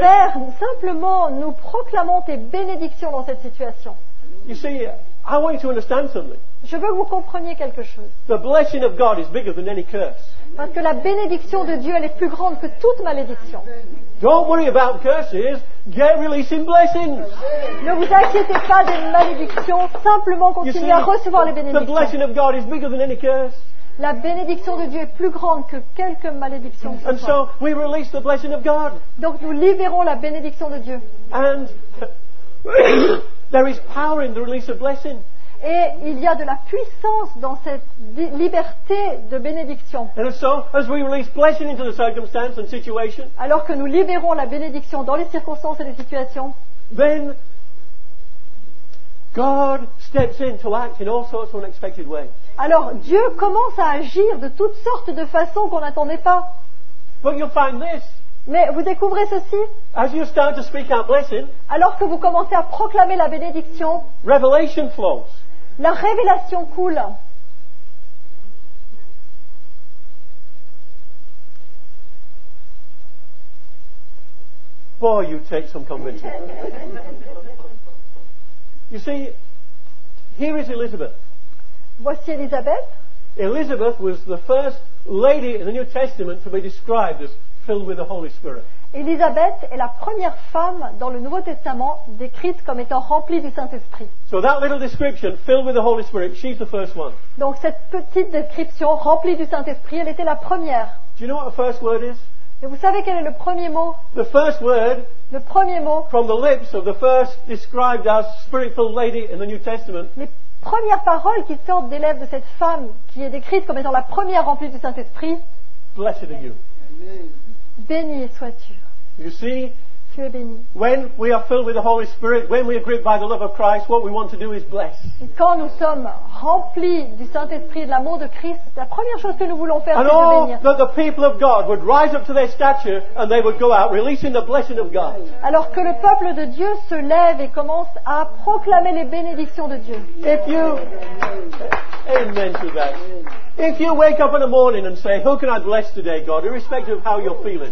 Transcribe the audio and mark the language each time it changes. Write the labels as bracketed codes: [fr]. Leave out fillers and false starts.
[fr] Père, simplement, nous proclamons tes bénédictions dans cette situation. [en] You see, I want you to understand something. [fr] Je veux que vous compreniez quelque chose. [en] The blessing of God is bigger than any curse. [fr] Parce que la bénédiction de Dieu, elle est plus grande que toute malédiction. [en] Don't worry about curses. Get releasing blessings. [fr] Ne vous inquiétez pas des malédictions, simplement continuez à recevoir les bénédictions. [en] The blessing of God is bigger than any curse. [fr] La bénédiction de Dieu est plus grande que quelque malédiction. [en] And so we release the blessing of God. [fr] Donc nous libérons la bénédiction de Dieu. [en] And there is power in the release of blessing. [fr] Et il y a de la puissance dans cette liberté de bénédiction. [en] And so, as we release blessing into the circumstances and situations, [fr] alors que nous libérons la bénédiction dans les circonstances et les situations, [en] then God steps in to act in all sorts of unexpected ways. [fr] Alors Dieu commence à agir de toutes sortes de façons qu'on n'attendait pas. [en] But you'll find this. [fr] Mais vous découvrez ceci. [en] As you start to speak out blessing, [fr] alors que vous commencez à proclamer la bénédiction, [en] revelation flows. [fr] La révélation coule. [en] Boy, you take some convincing. You see, here is Elizabeth. [fr] Voici Elizabeth. [en] Elizabeth was the first lady in the New Testament to be described as filled with the Holy Spirit. [fr] Elizabeth est la première femme dans le Nouveau Testament décrite comme étant remplie du Saint-Esprit. [en] So that little description, filled with the Holy Spirit, she's the first one. [fr] Donc cette petite description, remplie du Saint-Esprit, elle était la première. [en] Do you know what the first word is? [fr] Et vous savez quel est le premier mot? [en] The first word. [fr] Le premier mot. [en] From the lips of the first described as spirit-filled lady in the New Testament. [fr] Les premières paroles qui sortent des lèvres de cette femme qui est décrite comme étant la première remplie du Saint-Esprit. [en] Blessed are you. [fr] Béni sois-tu. [en] You see, [fr] tu es béni. [en] When we are filled with the Holy Spirit, when we are gripped by the love of Christ, what we want to do is bless. [fr] Et quand nous sommes remplis du Saint-Esprit et de l'amour de Christ, la première chose que nous voulons faire, [en] and [fr] c'est [en] all [fr] de bénir. [en] That the people of God would rise up to their stature and they would go out releasing the blessing of God. [fr] Alors que le peuple de Dieu se lève et commence à proclamer les bénédictions de Dieu. [en] If you, amen to that. If you wake up in the morning and say, "Who can I bless today, God?" Irrespective of how you're feeling.